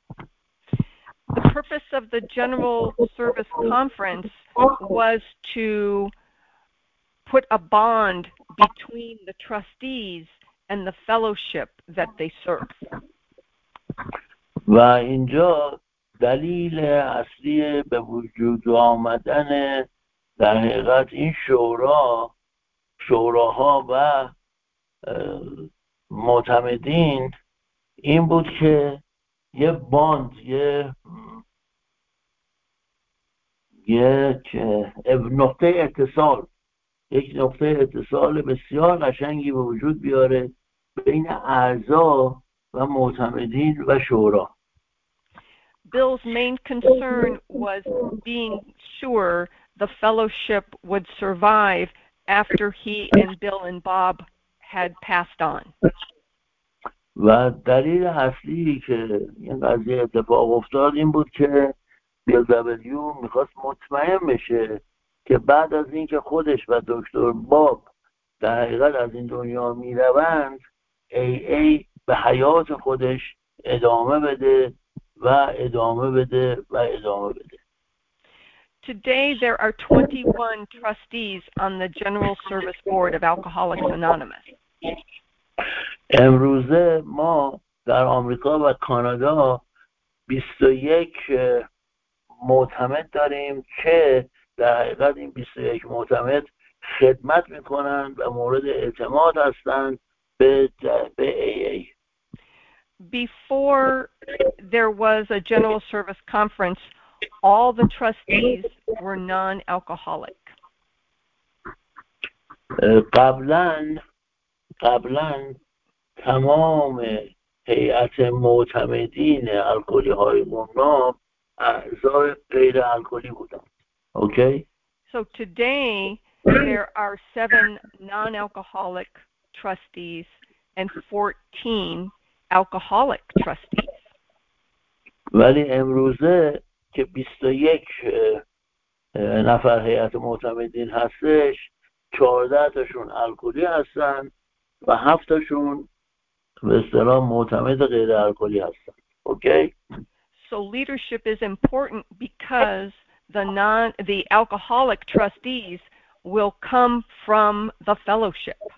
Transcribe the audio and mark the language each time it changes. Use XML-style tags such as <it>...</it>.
<en>The purpose of the General Service Conference was to put a bond between the trustees and the fellowship that they serve.</en> <fa>و اینجا دلیل اصلی به وجود آمدن در حقیقت این شورا، شوراها و معتمدین این بود که یه باند، یک نقطه اتصال بسیار قشنگی به وجود بیاره بین اعضا و معتمدین و شورا.</fa> <en>Bill's main concern was being sure the fellowship would survive after he and Bill and Bob had passed on.</en> <fa>و دلیل اصلی که این قضیه اتفاق افتاد این بود که بیل دبلیو میخواست مطمئن بشه که بعد از اینکه خودش و دکتر باب در حقیقت از این دنیا میروند، AA به حیات خودش ادامه بده و ادامه بده و ادامه بده.</fa> <en>Today there are 21 trustees on the General Service Board of Alcoholics Anonymous.</en> <fa>امروزه ما در آمریکا و کانادا 21 معتمد داریم که در حقیقت این 21 معتمد خدمت میکنن و مورد اعتماد هستند به AA.</fa> <en>Before there was a General Service Conference, all the trustees were non-alcoholic.</en> <fa>قبلاً تمام هیئت معتمدین الکلی های گمنام اعضای غیر الکلی بودند.</fa> <en>Okay? So today there are 7 non-alcoholic trustees and 14 alcoholic trustees.</en> <fa>ولی امروزه که 21 نفر هیئت معتمدین هستش، 14 تاشون الکلی هستن و 7 تاشون به اصطلاح معتمد غیر الکلی هستن.</fa> <en>Okay? So leadership is important because the alcoholic trustees will come from the fellowship.</en>